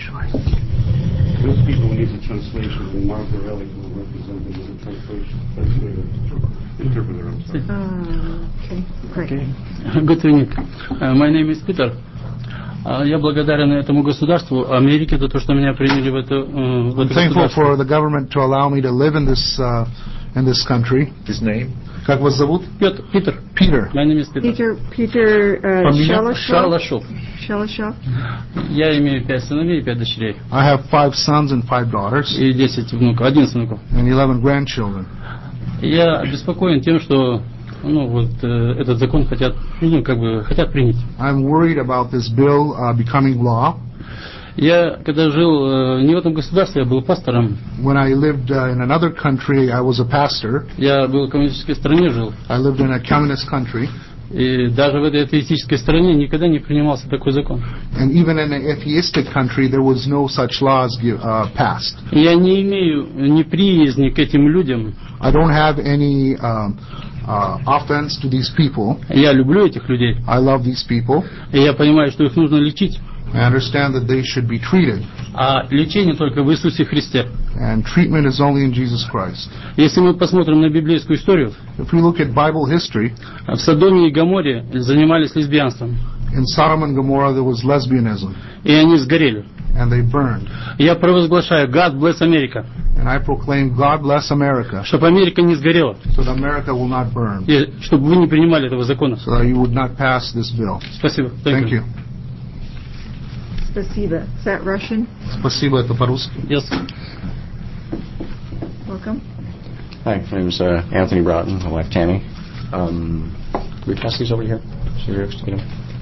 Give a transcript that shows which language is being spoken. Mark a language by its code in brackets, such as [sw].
[en] Those people who need the translation, and Mark Borelli, who will represent them as a translator. My name is Peter. [ru] Я благодарен этому государству, Америке, за то, что меня приняли в это государство. [en] I'm thankful for the government to allow me to live in this country. His name? [ru] Как вас зовут? [en] Peter. Peter. My name is Peter. Peter Shalashov. [ru] Я имею 5 сыновей и 5 дочерей. [en] I have 5 sons and 5 daughters. [ru] И 10 внуков, 11 внуков. [en] And 11 grandchildren. [ru] Я обеспокоен тем, что этот закон хотят, хотят принять. [en] I'm worried about this bill becoming law. [ru] Я когда жил не в этом государстве, я был пастором. [en] When I lived in another country, I was a pastor. [ru] Я был в коммунистической стране жил. [en] I lived in a communist country. [ru] И даже в этой атеистической стране никогда не принимался такой закон. [en] And even in an atheistic country, there was no such laws passed. [ru] Я не имею ни приязни к этим людям. [en] I don't have any offense to these people. [ru] Я люблю этих людей. [en] I love these people. [ru] И я понимаю, что их нужно лечить. [en] I understand that they should be treated. [ru] А лечение только в Иисусе Христе. [en] And treatment is only in Jesus Christ. [ru] Если мы посмотрим на библейскую историю, [en] if we look at Bible history, [ru] в Содоме и Гоморре занимались лесбиянством. [en] In Sodom and Gomorrah there was lesbianism. [ru] И они сгорели. [en] And they burned. [ru] Я провозглашаю, [en] God bless America. And I proclaim, God bless America. [ru] Чтобы Америка не сгорела. [en] So that America will not burn. [ru] И чтобы вы не принимали этого закона. [en] So that you would not pass this bill. [ru] Спасибо. [en] Thank you. [ru] Спасибо. [en] Is that Russian? [ru] Спасибо, это по-русски. [en] Yes. Welcome. Hi, my name is Anthony Broughton. My wife Tammy. We pass these over here. So you're able to get them.